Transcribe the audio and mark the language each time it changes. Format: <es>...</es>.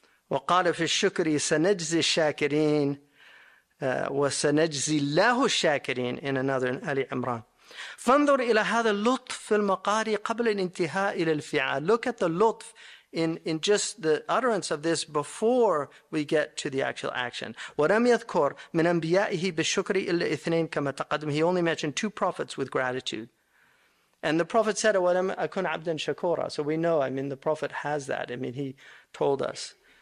<ar>وقال في الشكر سنجزي الشاكرين وسنجزي الله الشاكرين.</ar> <en>In another, in Ali Imran.</en> <ar>فانظر إلى هذا اللطف في المقال قبل الانتهاء إلى الفعل.</ar> <en>Look at the lutf in just the utterance of this before we get to the actual action.</en> <ar>ولم يذكر من أنبيائه بالشكر إلا اثنين كما تقدم.</ar> <en>He only mentioned two prophets with gratitude. And the prophet said,</en> <ar>ولم أكن عبدا شكورا.</ar> <en>So we know, I mean, the prophet has that. I mean, he told us.</en>